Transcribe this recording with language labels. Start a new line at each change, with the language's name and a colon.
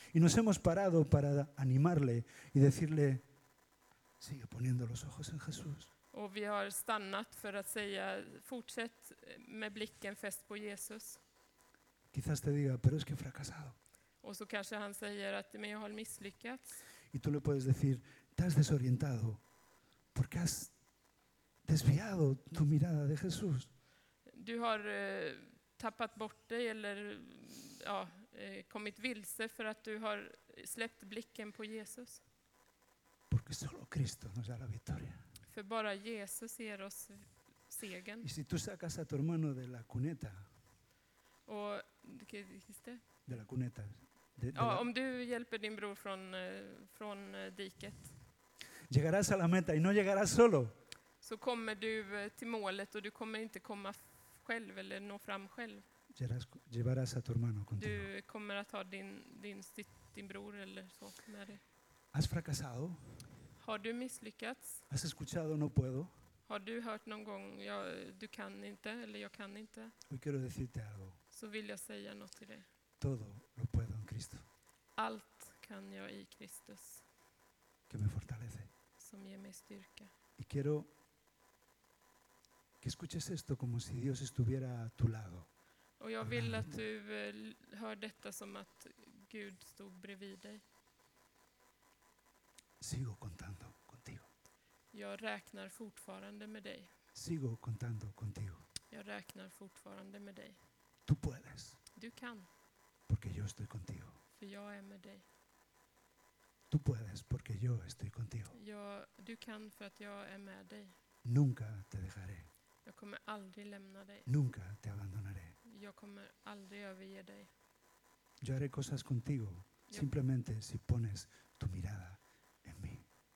Spanish: Y nos hemos parado para animarle y decirle sigue poniendo los ojos en Jesús.
Swedish: Och vi har stannat för att säga fortsätt med blicken fäst på Jesus.
Spanish: Quizás te diga, pero es que he fracasado.
Swedish: Och så kanske han säger att men jag har misslyckats.
Spanish: Y tú le puedes decir, te has desorientado porque has desviado tu mirada de Jesús.
Swedish: Du har tappat bort dig eller kommit vilse för att du har släppt blicken på Jesus.
Spanish: Porque solo Cristo nos da la victoria.
Swedish: För bara Jesus ger oss segern.
Spanish: Y si tú sacas a tu hermano de la cuneta.
Swedish: Och
Spanish: ¿qué dijiste? De la cuneta.
Swedish: Om du hjälper din bror från diket.
Spanish: Llegarás a la meta y no llegarás solo.
Swedish: Så kommer du till målet och du kommer inte komma själv eller nå fram själv.
Spanish: Llevarás a tu hermano contigo.
Swedish: Du kommer att ha din bror eller så med dig.
Spanish: ¿Has fracasado?
Swedish: Har du misslyckats?
Spanish: ¿Has escuchado no puedo?
Swedish: Har du hört någon gång du kan inte eller jag kan inte?
Spanish: Hoy quiero decirte algo.
Swedish: Så vill jag säga något till dig.
Spanish: Todo lo puedo en Cristo.
Swedish: Allt kan jag i Kristus.
Spanish: Que me fortalece.
Swedish: Som ger mig styrka.
Spanish: Y quiero que escuches esto como si Dios estuviera a tu lado.
Swedish: Och jag vill att du hör detta som att Gud stod bredvid dig.
Spanish: Sigo contando contigo.
Swedish: Jag räknar fortfarande med dig.
Spanish: Sigo contando contigo.
Swedish: Jag räknar fortfarande med dig.
Spanish: Tú puedes.
Swedish: Du kan.
Spanish: Porque yo estoy contigo.
Swedish: För jag är med dig.
Spanish: Tú puedes porque yo estoy contigo.
Swedish: Du kan för att jag är med dig.
Spanish: Nunca te dejaré.
Swedish: Jag kommer aldrig lämna dig.
Spanish: Nunca te abandonaré.
Swedish: Jag kommer aldrig överge dig.
Spanish: Yo haré cosas contigo simplemente si pones tu mirada en mí.